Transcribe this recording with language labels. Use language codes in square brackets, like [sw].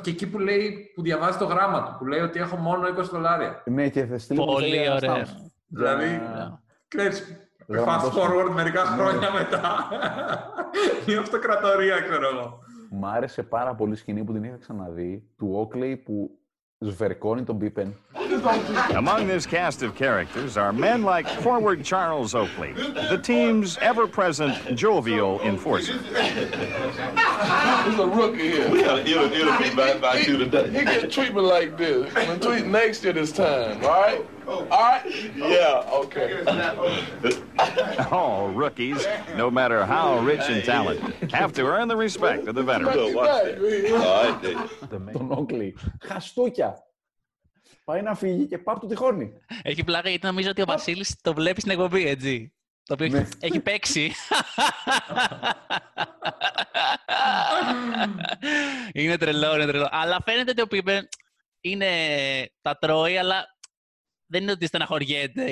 [el] Και εκεί που λέει, που διαβάζει το γράμμα του, που λέει ότι έχω μόνο 20 δολάρια. Ναι, και θα στείλει πολύ ωραία. Δηλαδή, ξέρεις, [en] fast forward [el] μερικά χρόνια μετά. Η αυτοκρατορία, ξέρω εγώ. Μ' άρεσε πάρα πολύ σκηνή που την είχα ξαναδεί, του Oakley που σβερκώνει τον Πίπεν. [en] Among this cast of characters are men like forward Charles Oakley, the team's ever-present jovial enforcer. He's a rookie here. We got an interview by you today. He gets treatment like this. When tweet next year this time, all right? Oh. All right? Oh. Yeah, okay. All rookies, no matter how rich and talented, have to earn the respect of the veterans. Watch that. All right, [el] Dave. Τον Oakley. Χαστούκια. Πάει να φύγει και πάει το τυχόνι. Έχει πλάκα γιατί νομίζω ότι ο Βασίλης το βλέπει στην εκπομπή, έτσι. Το οποίο έχει παίξει. Είναι τρελό, είναι τρελό. Αλλά φαίνεται ότι ο Πίπεν είναι τα τρώει, αλλά δεν είναι ότι στεναχωριέται.